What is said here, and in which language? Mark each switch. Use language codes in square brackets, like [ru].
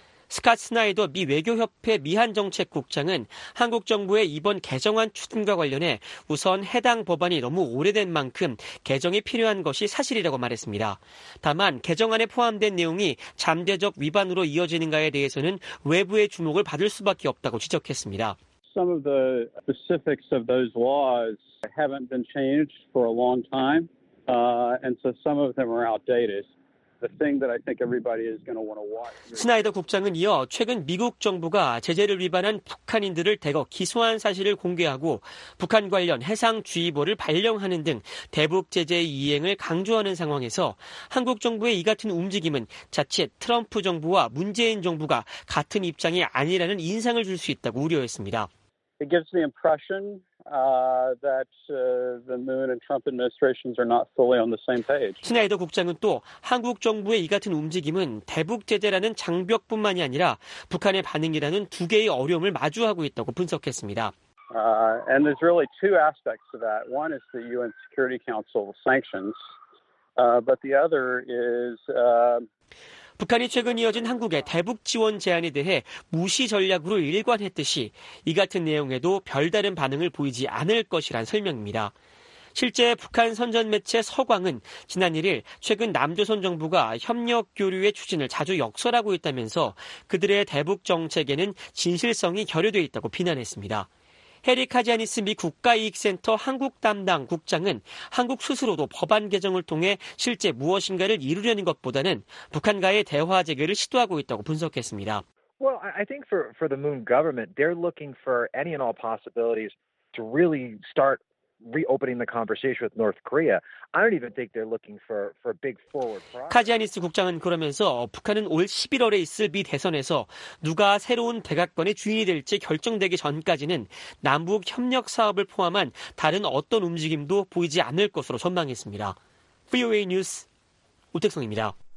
[ko] 스캇 스나이더 미 외교협회 미한정책국장은 한국 정부의 이번 개정안 추진과 관련해 우선 해당 법안이 너무 오래된 만큼 개정이 필요한 것이 사실이라고 말했습니다. 다만 개정안에 포함된 내용이 잠재적 위반으로 이어지는가에 대해서는 외부의 주목을 받을 수밖에 없다고 지적했습니다. [en] Some of the specifics of those laws haven't been changed for a long time, and so some of them are outdated. The thing that I think everybody is going to want to watch. [ko] 스나이더 국장은 이어 최근 미국 정부가 제재를 위반한 북한인들을 대거 기소한 사실을 공개하고 북한 관련 해상 주의보를 발령하는 등 대북 제재 이행을 강조하는 상황에서 한국 정부의 이 같은 움직임은 자칫 트럼프 정부와 문재인 정부가 같은 입장이 아니라는 인상을 줄 수 있다고 우려했습니다. [en] It gives the impression that the Moon and Trump administrations are not fully on the same page. [ko] 스나이더 국장은 또 한국 정부의 이 같은 움직임은 대북 제재라는 장벽뿐만이 아니라 북한의 반응이라는 두 개의 어려움을 마주하고 있다고 분석했습니다. [en] And there's really two aspects to that. One is the UN Security Council sanctions, but the other is [ko] 북한이 최근 이어진 한국의 대북 지원 제안에 대해 무시 전략으로 일관했듯이 이 같은 내용에도 별다른 반응을 보이지 않을 것이란 설명입니다. 실제 북한 선전 매체 서광은 지난 1일 최근 남조선 정부가 협력 교류의 추진을 자주 역설하고 있다면서 그들의 대북 정책에는 진실성이 결여돼 있다고 비난했습니다. 해리 카지아니스 미 국가이익센터 한국 담당 국장은 한국 스스로도 법안 개정을 통해 실제 무엇인가를 이루려는 것보다는 북한과의 대화 재개를 시도하고 있다고 분석했습니다. [en] Well, I think for the Moon government, they're looking for any and all possibilities to really start reopening the conversation with North Korea. I don't even think they're looking for big forward progress. [ko] 카지아니스 국장은 그러면서 북한은 올 11월에 있을 미 대선에서 누가 새로운 백악관의 주인이 될지 결정되기 전까지는 남북 협력 사업을 포함한 다른 어떤 움직임도 보이지 않을 것으로 전망했습니다. VOA 뉴스 우택성입니다.